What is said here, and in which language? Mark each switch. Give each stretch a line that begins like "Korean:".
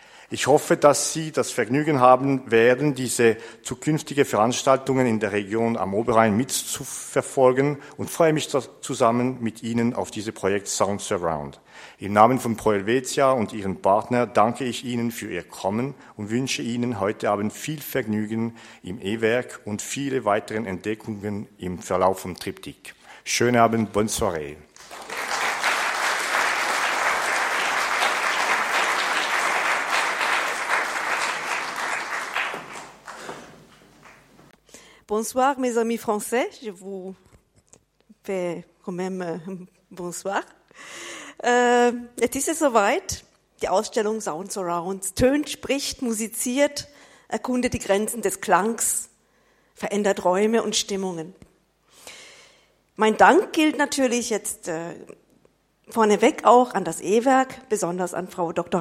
German: Ich hoffe, dass Sie das Vergnügen haben werden, diese zukünftigen Veranstaltungen in der Region am Oberrhein mitzuverfolgen und freue mich zusammen mit Ihnen auf dieses Projekt Sound Surround. Im Namen von Prolvetia und Ihren Partner danke ich Ihnen für Ihr Kommen und wünsche Ihnen heute Abend viel Vergnügen im E-Werk und viele weitere Entdeckungen im Verlauf von Triptych. Schönen Abend,
French: bonne soirée. Bonsoir, mes amis français. Je vous fais quand même bonsoir.
German: Es ist soweit. Die Ausstellung Sounds Around tönt, spricht, musiziert, erkundet die Grenzen des Klangs, verändert Räume und Stimmungen. Mein Dank gilt natürlich jetzt vorneweg auch an das E-Werk, besonders an Frau Dr.